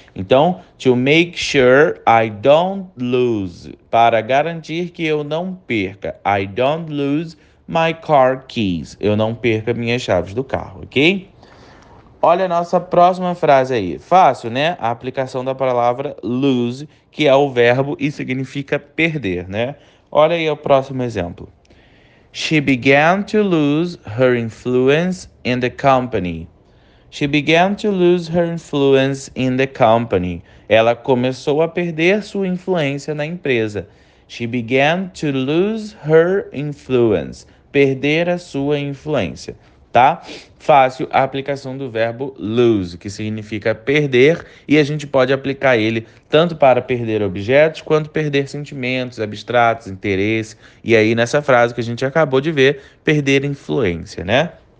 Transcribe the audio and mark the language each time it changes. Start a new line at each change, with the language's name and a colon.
Portuguese: Então,
English: to make sure I don't lose,
Portuguese: para garantir que eu não perca,
English: I don't lose my car keys,
Portuguese: eu não perca minhas chaves do carro, ok? Olha a nossa próxima frase aí, fácil, né? A aplicação da palavra lose, que é o verbo e significa perder, né? Olha aí o próximo exemplo.
English: She began to lose her influence in the company. She began to lose her influence in the company.
Portuguese: Ela começou a perder sua influência na empresa.
English: She began to lose her influence.
Portuguese: Perder a sua influência, tá? Fácil a aplicação do verbo lose, que significa perder, e a gente pode aplicar ele tanto para perder objetos, quanto perder sentimentos abstratos, interesse, e aí nessa frase que a gente acabou de ver, perder influência, né?